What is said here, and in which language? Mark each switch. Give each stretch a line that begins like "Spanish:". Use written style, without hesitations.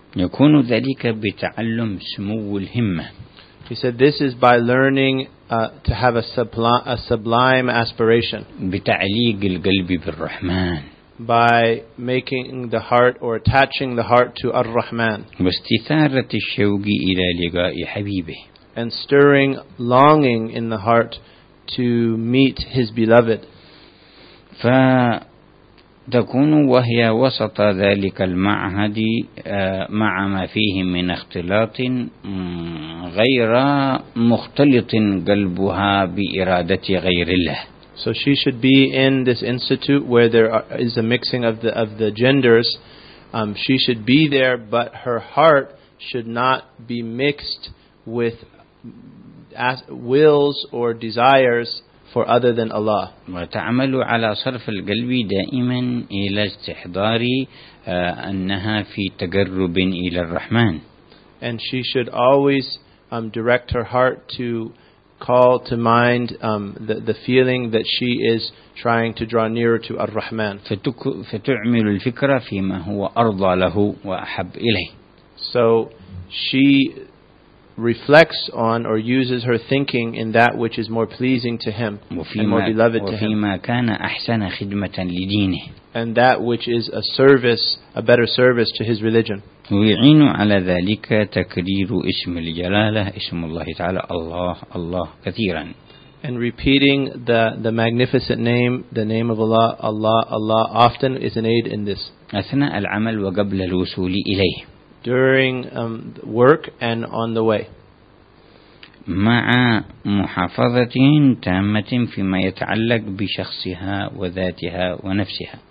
Arabic: يكون ذلك بتعلم سمو الهمة.
English: He said this is by learning to have a sublime aspiration.
Arabic: بتعليق القلب بالرحمن.
English: By making the heart or attaching the heart to Ar-Rahman.
Arabic: واستثارة الشوق إلى لقاء حبيبه.
English: And stirring longing in the heart to meet his beloved.
Arabic: ف تكون وهي وسط ذلك المعهد مع ما فيه من اختلاط غير مختلط قلبها بإرادة غير الله.
English: So she should be in this institute where there is a mixing of the genders. She should be there, but her heart should not be mixed with wills or desires for other than Allah.
Arabic: وتعمل على صرف القلب دائما إلى استحضار أنها في تقرب إلى الرحمن.
English: And she should always direct her heart to call to mind the feeling that she is trying to draw nearer to Ar-Rahman.
Arabic: فتعمل الفكرة فيما هو أرضى له وأحب إليه.
English: So she reflects on or uses her thinking in that which is more pleasing to him and more beloved to him.
Arabic: كان أحسن خدمة لدينه.
English: And that which is a service, a better service to his religion.
Arabic: ويعين على ذلك تكرير اسم الجلالة اسم الله تعالى الله الله كثيرا.
English: And repeating the magnificent name, the name of Allah, Allah, Allah, often is an aid in this.
Arabic: أثناء العمل وقبل الوصول إليه.
English: During work and on the way.
Arabic: مع محافظة تامة فيما يتعلق بشخصها وذاتها ونفسها.